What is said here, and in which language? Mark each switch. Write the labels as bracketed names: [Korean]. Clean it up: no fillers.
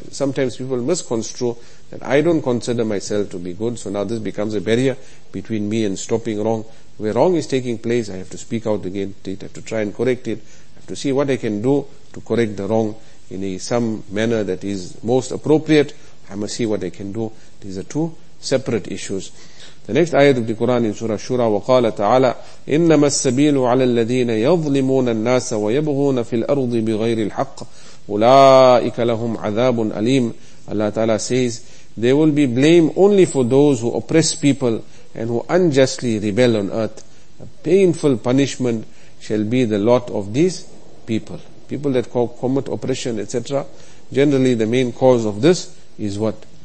[English] Sometimes people misconstrue that I don't consider myself to be good, so now this becomes a barrier between me and stopping wrong. Where wrong is taking place, I have to speak out against it, I have to try and correct it, I have to see what I can do to correct the wrong in some manner that is most appropriate. I must see what I can do. These are two separate issues. The next ayat of the Quran in Surah Shura, [Arabic] وَقَالَ تَعَالَى إِنَّمَا السَّبِيلُ عَلَى الَّذِينَ يَظْلِمُونَ النَّاسَ وَيَبْغُونَ فِي الْأَرْضِ بِغَيْرِ الْحَقِّ أُولَٰئِكَ لَهُمْ عَذَابٌ أَلِيمٌ. [English] Allah Ta'ala says, there will be blame only for those who oppress people and who unjustly rebel on earth. A painful punishment shall be the lot of these people. People that commit oppression, etc. Generally, the main cause of this is what?